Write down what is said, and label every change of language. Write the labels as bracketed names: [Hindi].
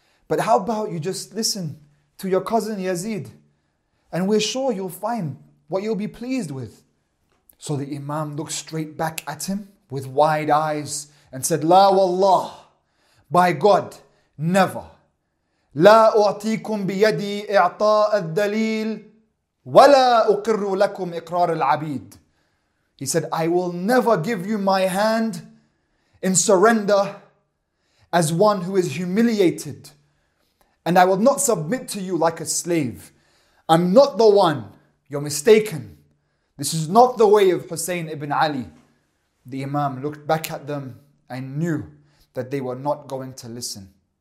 [English] But how about you just listen to your cousin Yazid? And we're sure you'll find what you'll be pleased with. So the Imam looked straight back at him with wide eyes and said, La wallah, by God, never. [Arabic] لا أعطيكم بيدي إعطاء الدليل ولا أقر لكم إقرار العبيد. [English] He said, I will never give you my hand in surrender as one who is humiliated. And I will not submit to you like a slave. I'm not the one. You're mistaken. This is not the way of Hussein ibn Ali. The Imam looked back at them and knew that they were not going to listen.